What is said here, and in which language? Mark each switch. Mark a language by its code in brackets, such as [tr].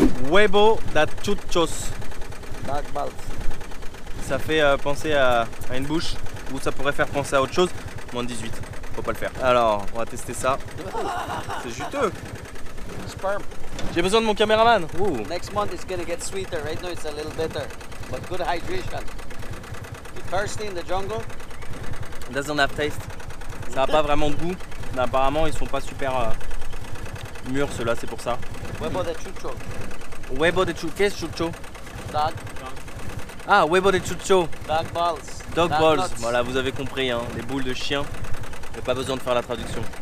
[es] Huevo da chuchos. [en] Dark balls. [fr] Ça fait penser à une bouche, ou ça pourrait faire penser à autre chose. Moins 18, faut pas le faire. Alors, on va tester ça. C'est juteux. [en] Sperm. [fr] J'ai besoin de mon caméraman. Ooh. [en] Next month it's gonna get sweeter. Right now it's a little bitter. But good hydration. You thirsty in the jungle? It doesn't have taste. [fr] Ça a pas vraiment de goût. Mais apparemment, ils sont pas super mûrs ceux-là, c'est pour ça. [es] Huevo da chuchos. Huevo de chucho. [fr] Qu'est-ce [es] chucho? [en] Dog. [fr] Ah, [es] huevo de chucho. [en] Dog balls. Dog balls. Nuts. [fr] Voilà, vous avez compris, hein. Les boules de chien. J'ai pas besoin de faire la traduction.